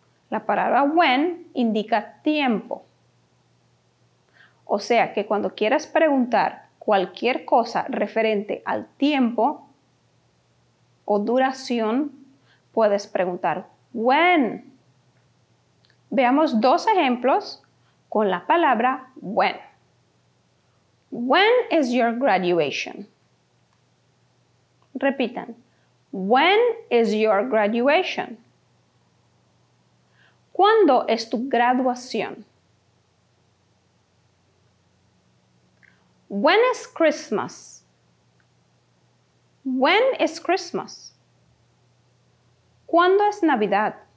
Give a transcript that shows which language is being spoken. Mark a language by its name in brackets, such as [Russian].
[Spanish] La palabra when indica tiempo. O sea que cuando quieras preguntar cualquier cosa referente al tiempo o duración, puedes preguntar when. Veamos dos ejemplos con la palabra when. [English] When is your graduation? [Spanish] Repitan. [English] When is your graduation? [Spanish] ¿Cuándo es tu graduación? [English] When is Christmas? When is Christmas? [Spanish] ¿Cuándo es Navidad?